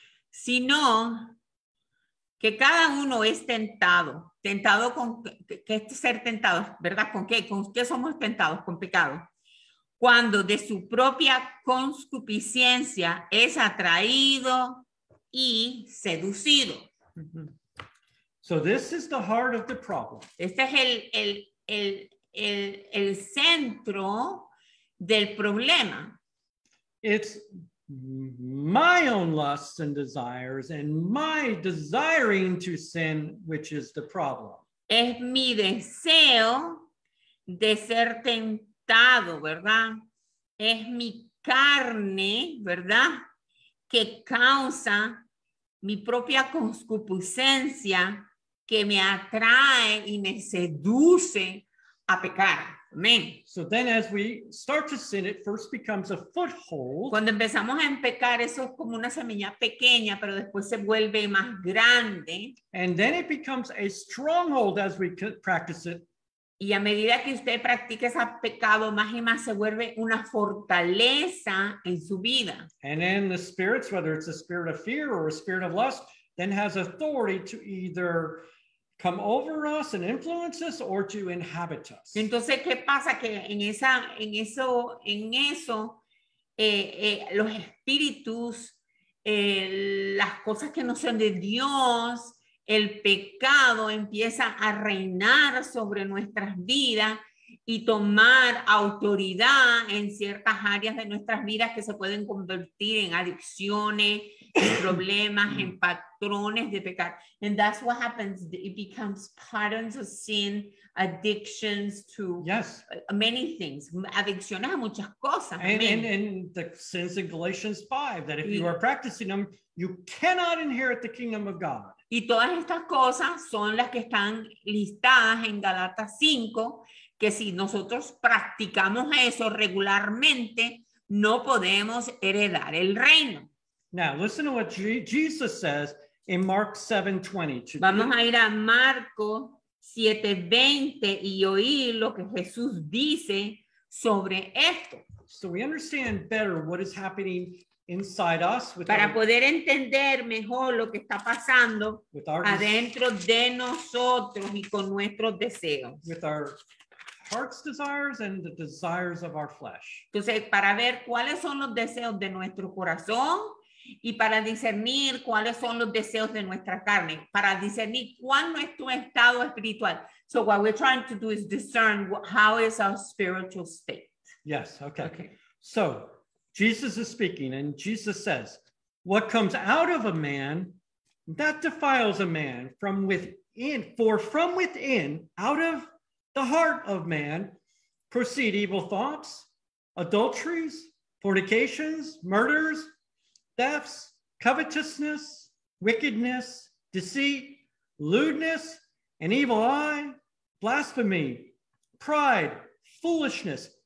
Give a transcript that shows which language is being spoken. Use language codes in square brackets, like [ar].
[es] Sino que cada uno es tentado. Tentado con. ¿Qué es ser tentado? ¿Verdad? ¿Con qué? ¿Con qué somos tentados? Con pecado. Cuando de su propia concupiscencia es atraído y seducido. [en] So this is the heart of the problem. [es] Este es el centro del problema. [en] It's my own lusts and desires and my desiring to sin, which is the problem. [es] Es mi deseo de ser tentado, ¿verdad? Es mi carne, ¿verdad? Que causa mi propia concupiscencia que me atrae y me seduce a pecar. Amén. [en] So then as we start to sin, it first becomes a foothold. [es] Cuando empezamos a pecar, eso es como una semilla pequeña, pero después se vuelve más grande. [en] And then it becomes a stronghold as we practice it. [es] Y a medida que usted practica ese pecado, más y más se vuelve una fortaleza en su vida. [en] And then the spirits, whether it's a spirit of fear or a spirit of lust, then has authority to either come over us and influence us or to inhabit us. [es] Entonces, ¿qué pasa? Que los espíritus, las cosas que no son de Dios, el pecado empieza a reinar sobre nuestras vidas y tomar autoridad en ciertas áreas de nuestras vidas que se pueden convertir en adicciones, en problemas, en patrones de pecar. [en] And that's what happens. It becomes patterns of sin, addictions to yes. many things. [es] Adicciones a muchas cosas. [en] And the sins in Galatians 5, that if you are practicing them, you cannot inherit the kingdom of God. [es] Y todas estas cosas son las que están listadas en Galatas 5, que si nosotros practicamos eso regularmente, no podemos heredar el reino. [en] Now, listen to what Jesus says in Mark 7:20. [es] Vamos a ir a Marcos 7:20 y oír lo que Jesús dice sobre esto. [en] So we understand better what is happening inside us with [es] para poder entender mejor lo que está pasando adentro de nosotros y con nuestros deseos. [en] With our heart's desires and the desires of our flesh. [es] Entonces, para ver cuáles son los deseos de nuestro corazón y para discernir cuáles son los deseos de nuestra carne, para discernir cuál es nuestro estado espiritual. [en] So what we're trying to do is discern how is our spiritual state. Yes, okay. Okay. So Jesus is speaking, and Jesus says, what comes out of a man, that defiles a man from within. For from within, out of the heart of man, proceed evil thoughts, adulteries, fornications, murders, thefts, covetousness, wickedness, deceit, lewdness, an evil eye, blasphemy, pride, foolishness.